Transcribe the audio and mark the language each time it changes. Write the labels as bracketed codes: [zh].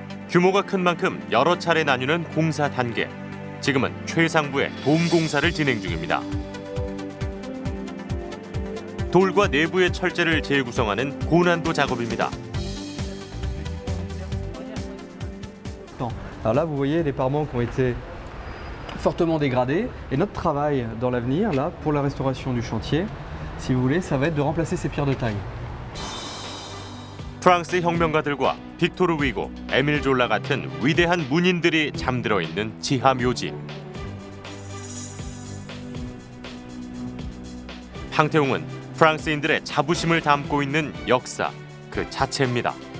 [ko] 규모가 큰 만큼 여러 차례 나뉘는 공사 단계. 지금은 최상부의 돔 공사를 진행 중입니다. 돌과 내부의 철재를 재구성하는 고난도 작업입니다. [fr] Alors là vous voyez les parements qui ont été fortement dégradé et notre travail dans l'avenir là pour la restauration du chantier si vous voulez ça va être de remplacer ces pierres de taille. [ko] 프랑스 혁명가들과 빅토르 위고, 에밀 졸라 같은 위대한 문인들이 잠들어 있는 지하 묘지. 팡테옹은 프랑스인들의 자부심을 담고 있는 역사 그 자체입니다.